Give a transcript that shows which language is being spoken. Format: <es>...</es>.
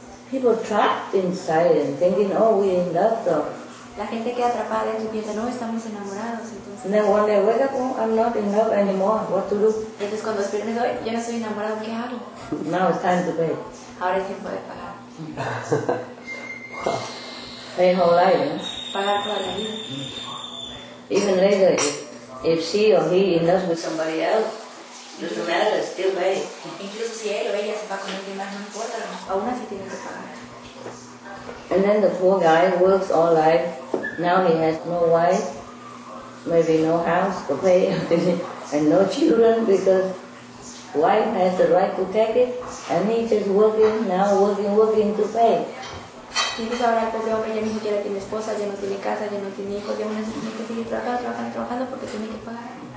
<en>People trapped inside and thinking, oh, we're in love, though.</en> <es>La gente queda atrapada dentro y piensa, no, estamos enamorados, entonces.</es> <en>And then when they wake up, oh, I'm not in love anymore, what to do?</en> <es>Entonces cuando despierten, hoy, yo no estoy enamorado, ¿qué hago?</es> <en>Now it's time to pay.</en> <es>Ahora es tiempo de pagar.</es> <en>Pay whole life, ¿no?</en> <es>Pagar toda la vida.</es> <en>Even later, if she or he in love with somebody else, and then the poor guy works all life. Now he has no wife, maybe no house to pay, and no children because wife has the right to take it, and he just working to pay.</en> <es>Y dice ahora el pobre hombre ya ni siquiera tiene esposa, ya no tiene casa, ya no tiene hijos, ya no tiene que seguir trabajando porque tiene que pagar.</es>